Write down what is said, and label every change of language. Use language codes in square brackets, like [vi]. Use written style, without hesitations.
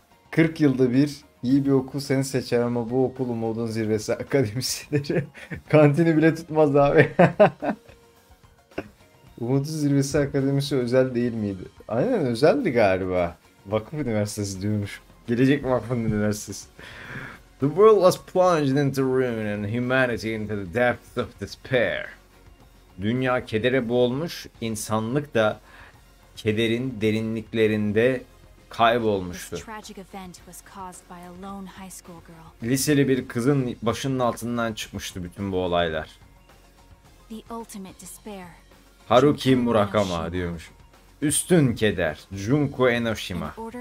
[tr] 40 yılda bir iyi bir okul seni seçer ama bu okul Umudun Zirvesi Akademisi'dir. Kantini bile tutmaz abi. Umudun Zirvesi Akademisi özel değil miydi? Aynen, özeldi galiba. Vakıf Üniversitesi diyormuş. Gelecek Vakıf Üniversitesi. [en] The world was plunged into ruin and humanity into the depths of despair. [tr] Dünya kedere boğulmuş, insanlık da kederin derinliklerinde kaybolmuştu. [en] This tragic event was caused by a lone high school girl. [tr] Liseli bir kızın başının altından çıkmıştı bütün bu olaylar. [en] The ultimate despair. [tr] Haruki Murakama diyormuş. Üstün keder, Junko Enoshima.